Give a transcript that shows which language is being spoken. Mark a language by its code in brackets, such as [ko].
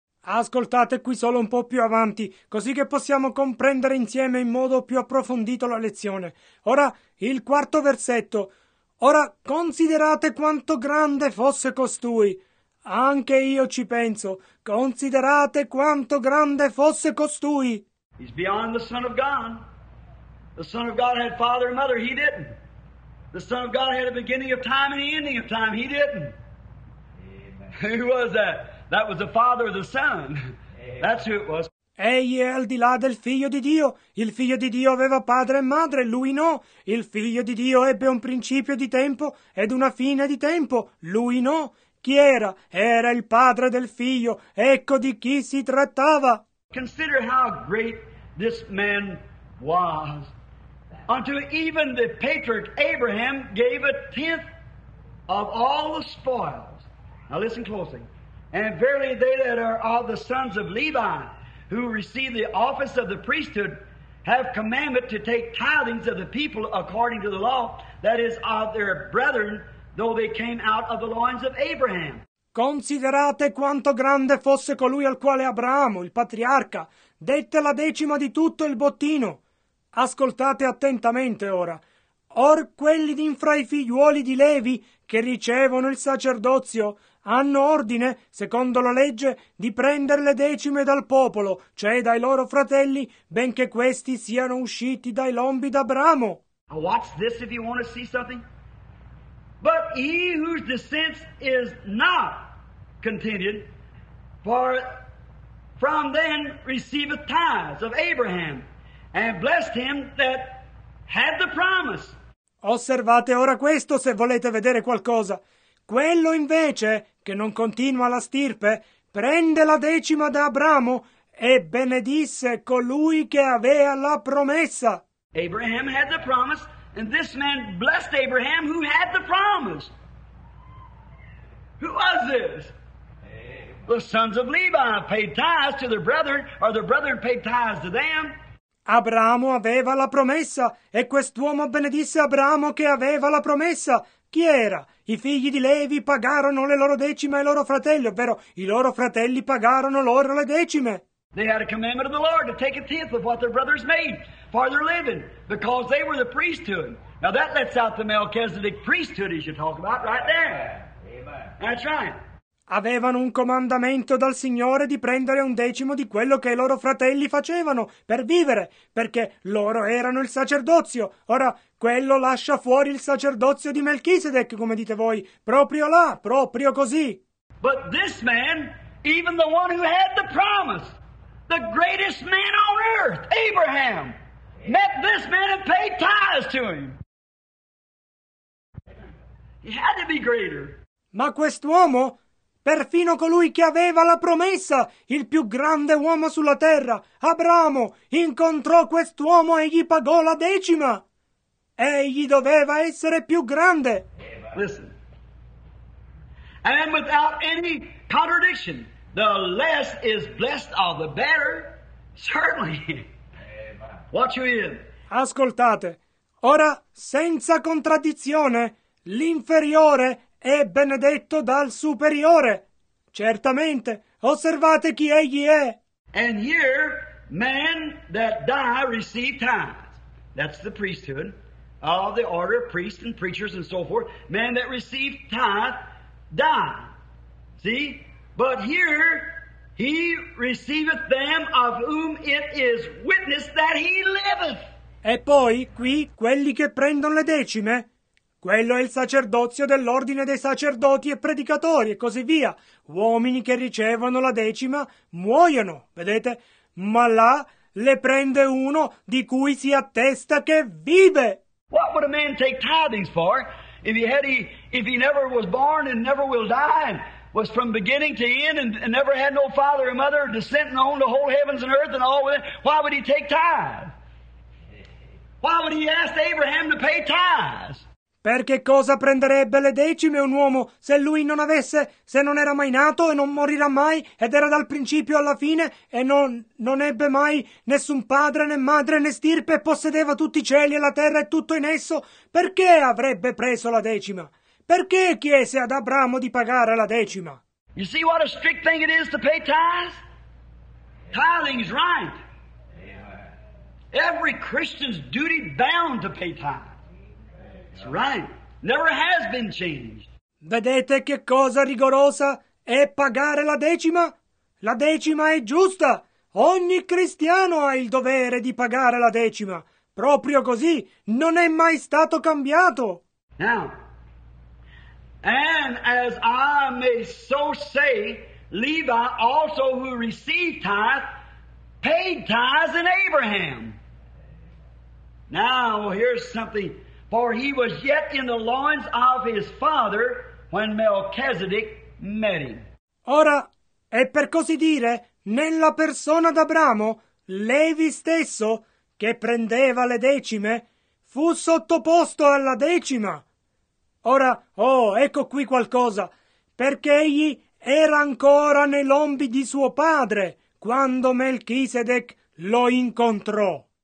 [it] Ascoltate qui solo un po' più avanti, così che possiamo comprendere insieme in modo più approfondito la lezione. Ora, il quarto versetto. Ora, considerate quanto grande fosse costui. Anche io ci penso. Considerate quanto grande fosse costui. [en] He's beyond the Son of God. The Son of God had father and mother. He didn't. The Son of God had a beginning of time and an ending of time. He didn't. Amen. Who was that? That was the Father of the Son. Amen. That's who it was. [it] Egli è al di là del figlio di Dio. Il figlio di Dio aveva padre e madre, lui no. Il figlio di Dio ebbe un principio di tempo ed una fine di tempo, lui no. Chi era? Era il padre del figlio. Ecco di chi si trattava. [en] Consider how great this man was. Unto even the patriarch Abraham gave a tenth of all the spoils. Now listen closely. And verily they that are of the sons of Levi, who receive the office of the priesthood, have commandment to take tithings of the people according to the law, that is, of their brethren, though they came out of the loins of Abraham. [it] Considerate quanto grande fosse colui al quale Abramo, il patriarca, dette la decima di tutto il bottino. Ascoltate attentamente ora. Or quelli di fra i figliuoli di Levi che ricevono il sacerdozio hanno ordine, secondo la legge, di prendere le decime dal popolo, cioè dai loro fratelli, benché questi siano usciti dai lombi d'Abramo. [en] Watch this if you want to see something. But he whose descent is not continued, for from then receiveth tithes of Abraham. And blessed him that had the promise. [it] Osservate ora questo se volete vedere qualcosa. Quello invece, che non continua la stirpe, prende la decima da Abramo e benedisse colui che aveva la promessa. [en] Abraham had the promise, and this man blessed Abraham who had the promise. Who was this? The sons of Levi paid tithes to their brethren, or their brethren paid tithes to them. [it] Abramo aveva la promessa, e quest'uomo benedisse Abramo che aveva la promessa. Chi era? I figli di Levi pagarono le loro decime ai loro fratelli, ovvero i loro fratelli pagarono loro le decime. [en] They had a commandment of the Lord to take a tenth of what their brothers made for their living, because they were the priesthood. Now that lets out the Melchizedek priesthood, as you talk about right there. Amen. That's right. [it] Avevano un comandamento dal Signore di prendere un decimo di quello che i loro fratelli facevano per vivere, perché loro erano il sacerdozio. Ora, quello lascia fuori il sacerdozio di Melchisedec, come dite voi, proprio là, proprio così. [en] But this man, even the one who had the promise, the greatest man on earth, Abraham, met this man and paid tithes to him. He had to be greater. [it] Ma quest'uomo, perfino colui che aveva la promessa, il più grande uomo sulla terra, Abramo, incontrò quest'uomo e gli pagò la decima. Egli doveva essere più grande. [en] Listen. And without any contradiction, the less is blessed of the better, certainly. Watch you in. [it] Ascoltate. Ora, senza contraddizione, l'inferiore è benedetto dal superiore. Certamente, osservate chi egli è. [en] And here, man that die receive tithes. That's the priesthood of the order of priests and preachers and so forth. Man that receive tithe die. See? But here, he receiveth them of whom it is witness that he liveth. [it] E poi, qui, quelli che prendono le decime. Quello è il sacerdozio dell'ordine dei sacerdoti e predicatori e così via. Uomini che ricevono la decima muoiono, vedete? Ma là le prende uno di cui si attesta che vive. [en] What would a man take tithings for if he never was born and never will die and was from beginning to end and never had no father or mother or descent and owned the whole heavens and earth and all with it? Why would he take tithes? Why would he ask Abraham to pay tithes? [it] Perché cosa prenderebbe le decime un uomo se lui non avesse, se non era mai nato e non morirà mai, ed era dal principio alla fine, e non ebbe mai nessun padre né madre né stirpe, e possedeva tutti i cieli e la terra e tutto in esso? Perché avrebbe preso la decima? Perché chiese ad Abramo di pagare la decima? [en] You see what a strict thing it is to pay tithes? Tithing's right. Every Christian's duty bound to pay tithes. That's right. Never has been changed. [it] Vedete che cosa rigorosa è pagare la decima? La decima è giusta. Ogni cristiano ha il dovere di pagare la decima. Proprio così, non è mai stato cambiato. [en] Now, and as I may so say, Levi also who received tithe, paid tithes in Abraham. Now, here's something. For he was yet in the loins of his father when Melchizedek met him. [it] Ora, è per così dire, nella persona d'Abramo, Levi stesso, che prendeva le decime, fu sottoposto alla decima. Ora, oh, ecco qui qualcosa, perché egli era ancora nei lombi di suo padre quando Melchizedek lo incontrò.